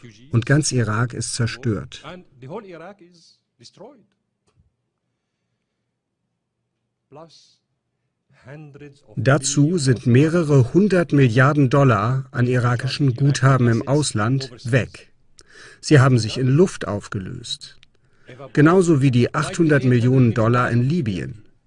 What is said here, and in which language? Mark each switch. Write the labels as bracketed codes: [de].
[de] Und ganz Irak ist zerstört. [en] And the whole Iraq is destroyed. Plus [de] Dazu sind mehrere 100 Milliarden Dollar an irakischen Guthaben im Ausland weg. Sie haben sich in Luft aufgelöst. Genauso wie die 800 Millionen Dollar in Libyen.